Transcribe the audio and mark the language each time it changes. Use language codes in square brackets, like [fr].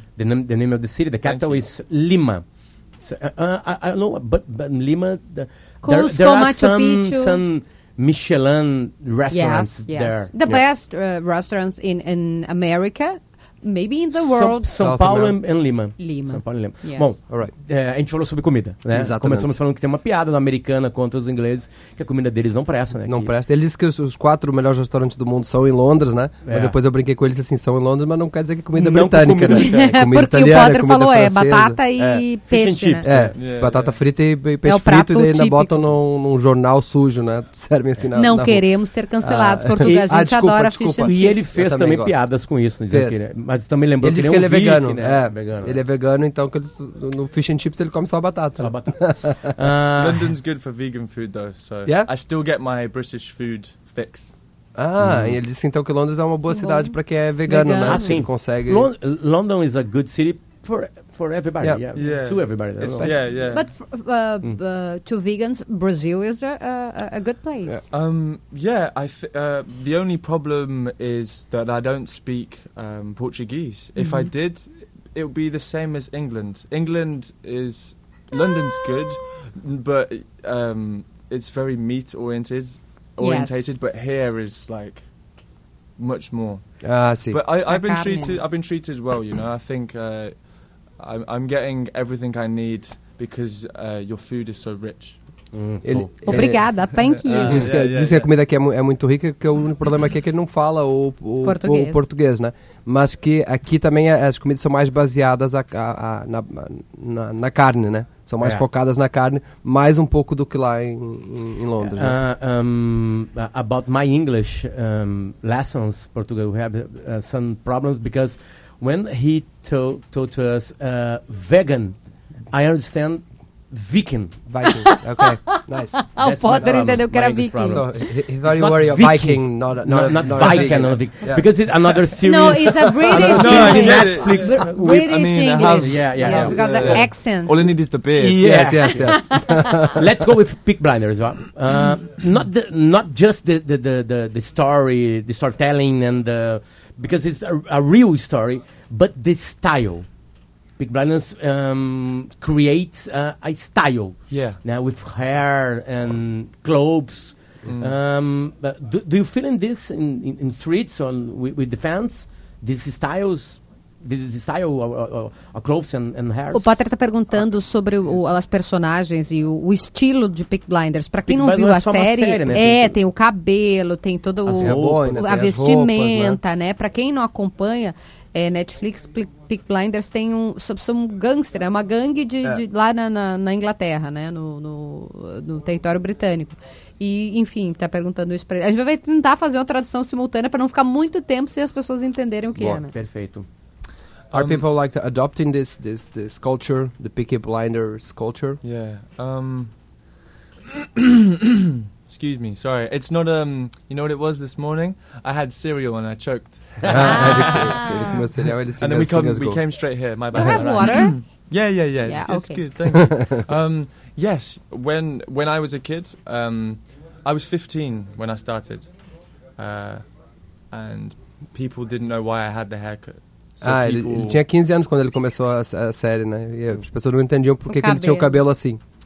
[en] The name of the city, the capital is Lima. I don't know, but Lima, there are some Michelin restaurants there. The best restaurants in America, maybe in the world. [pt] São Paulo e Lima. São Paulo e Lima. [en] Yes. [pt] Bom, a gente falou sobre comida, né? Exatamente. Começamos falando que tem uma piada na americana contra os ingleses, que a comida deles não presta, né? Não presta. Ele disse que os quatro melhores restaurantes do mundo são em Londres, né? É. Mas depois eu brinquei com eles assim, são em Londres, mas não quer dizer que é comida britânica, né? Porque italiana, o padre falou, francesa. Batata e peixe, [en] fish and chips, [pt] né? Batata frita e peixe frito, e daí ainda botam num jornal sujo, né? Servem assim Não queremos ser cancelados, Portugal. A gente adora fish and chips. E ele fez também piadas com isso, né? Mas também lembrou ele que ele é vegano. Ele é vegano, então no fish and chips ele come só a batata. [en] London's good for vegan food, though, so I still get my British food fix. [pt] E ele disse então que Londres é uma boa cidade para quem é vegano, né? Assim, quem consegue. [en] London is a good city for everybody. Yeah. Yeah. To everybody. But to vegans, Brazil is a good place. Yeah. The only problem is that I don't speak Portuguese. If I did, it would be the same as England. England is London's good, but it's very meat orientated, but here is like much more. See. But I've been treated well, you know. I think I'm getting everything I need because your food is so rich. [pt] Obrigada, [en] thank you. [pt] Diz que a comida aqui é muito rica, que o único problema aqui é que ele não fala o português, né? Mas que aqui também as comidas são mais baseadas na carne, né? São mais focadas na carne, mais um pouco do que lá em Londres. Né? [en] About my English lessons, Portugal, we have some problems because when he told to us vegan, I understand Viking. Okay, nice. O padre entendeu que era Viking. So he thought you were a Viking, not a Viking. Yeah. Because it's another series. No, it's a British thing. Netflix. British English. Yeah, because the accent. All you need is the beard. Yes. Let's go with Peaky Blinders as well. Not just the story, the storytelling and the... Because it's a real story, but the style. Peaky Blinders creates a style. Yeah. Now with hair and clothes. But do you feel in this in streets or with the fans, these styles? this style of clothes and hair. [pt] O Potter está perguntando sobre as personagens e o estilo de Peaky Blinders. Para quem não viu a série, né? Tem o cabelo, tem todo a vestimenta, né? Para quem não acompanha, Netflix, Peaky Blinders tem são gangster, é uma gangue de lá na Inglaterra, né? No território britânico. E, enfim, tá perguntando isso pra ele. A gente vai tentar fazer uma tradução simultânea para não ficar muito tempo sem as pessoas entenderem o que é, né? Perfeito. [en] Are people like adopting this culture, the Peaky Blinders culture? Yeah. excuse me, sorry. It's not you know what it was this morning? I had cereal and I choked. And then we came straight here. My bad. You have water? Yeah. It's okay. Good. Thank you. Yes, when I was a kid, I was 15 when I started, and people didn't know why I had the haircut. [pt] Ele tinha 15 anos quando ele começou a série, né? E as pessoas não entendiam por que ele tinha o cabelo assim.